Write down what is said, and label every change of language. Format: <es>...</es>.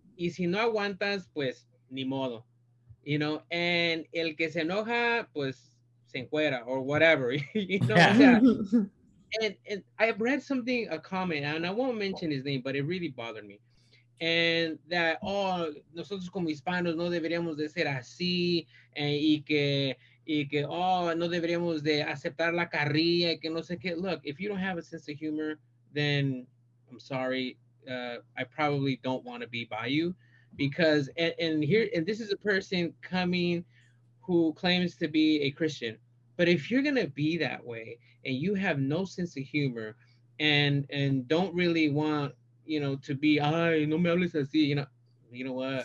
<es>Y si no aguantas, pues, ni modo.</es> <en>You know? And</en> <es>el que se enoja, pues, se encuera,</es> <en>or whatever. You know? Yeah. And I have read something, a comment, and I won't mention his name, but it really bothered me. And that,</en> <es>nosotros como hispanos no deberíamos de ser así, y que no deberíamos de aceptar la carrilla, y que no sé qué.</es> <en>Look, if you don't have a sense of humor, then I'm sorry. I probably don't want to be by you, because and this is a person coming who claims to be a Christian. But if you're going to be that way and you have no sense of humor and don't really want, you know, to be,</en> <es>ay, no me hables así,</es> <en>you know what?</en>